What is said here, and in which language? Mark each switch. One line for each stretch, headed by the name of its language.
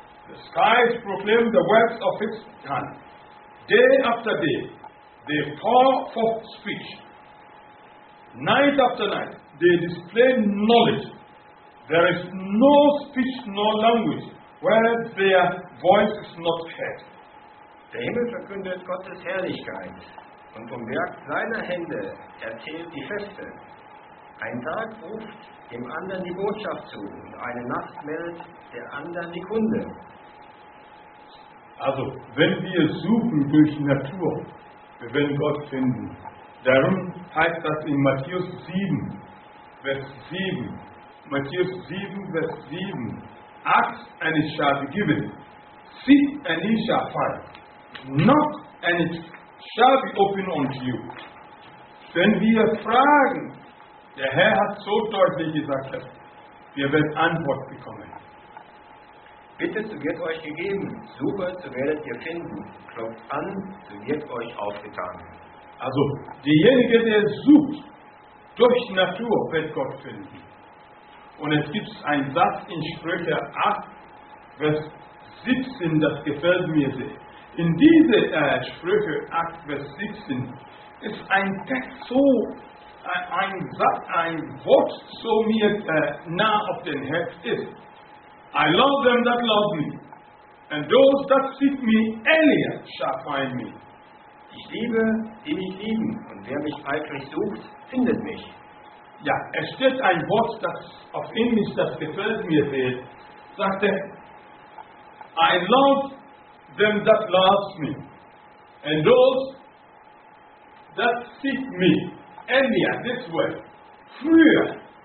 English: The skies proclaim the works of his hand. Day after day, they pour forth speech. Night after night, they display knowledge. There is no speech nor language where their voice is not heard.
German: Der Himmel verkündet Gottes Herrlichkeit und vom Werk seiner Hände erzählt die Feste. Ein Tag ruft dem anderen die Botschaft zu und eine Nacht meldet der anderen die Kunde. Also, wenn wir suchen durch Natur, wir werden Gott finden. Darum heißt das in Matthäus 7, Vers 7. Matthäus 7, Vers 7.
English: Ask and it shall be given. Seek and it shall find. Knock and it shall be open unto you.
German: Wenn wir fragen, der Herr hat so deutlich gesagt, wir werden Antwort bekommen. Bittet, so wird euch gegeben. Suchet, so werdet ihr finden. Klopft an, so wird euch aufgetan. Also, derjenige, der sucht, durch Natur wird Gott finden. Und es gibt einen Satz in Sprüche 8, Vers 17, das gefällt mir sehr. In diese Sprüche 8, Vers 17 ist ein Text so, ein Wort so mir nah auf den Herz ist.
English: I love them that love me, and those that seek me earlier shall find me.
German: Ich liebe, die mich lieben, und wer mich eifrig sucht, findet mich. Ja, es steht ein Wort, das auf Englisch, das gefällt mir sehr, sagte,
English: I love them that love me, and those that seek me earlier, this way,
German: früher.